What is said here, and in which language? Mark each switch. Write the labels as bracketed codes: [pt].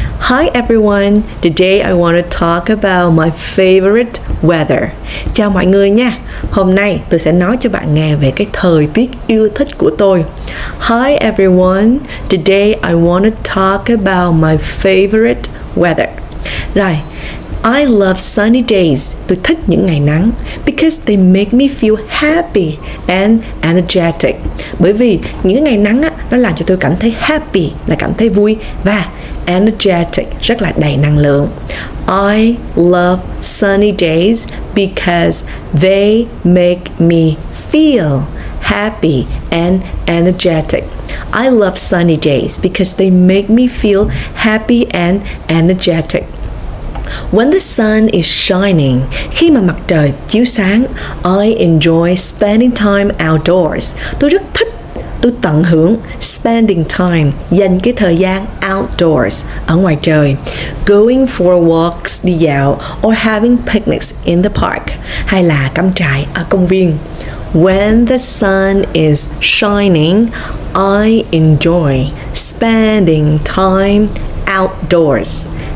[en] Hi everyone, today I want to talk about my favorite weather. [vi] Chào mọi người nha. Hôm nay tôi sẽ nói cho bạn nghe về cái thời tiết yêu thích của tôi. [en] Hi everyone, today I want to talk about my favorite weather. [vi] Rồi, [en] I love sunny days. [vi] Tôi thích những ngày nắng. [en] Because they make me feel happy and energetic. [vi] Bởi vì những ngày nắng á, nó làm cho tôi cảm thấy happy, là cảm thấy vui. Và energetic, rất là đầy năng lượng. [en] I love sunny days because they make me feel happy and energetic. I love sunny days because they make me feel happy and energetic. When the sun is shining, [vi] khi mà mặt trời chiếu sáng, [en] I enjoy spending time outdoors. [vi] Tôi rất thích, tôi tận hưởng [en] spending time, [vi] dành cái thời gian outdoors, ở ngoài trời. [en] Going for walks, [vi] đi dạo, [en] or having picnics in the park, [vi] hay là cắm trại ở công viên. [en] When the sun is shining, I enjoy spending time outdoors.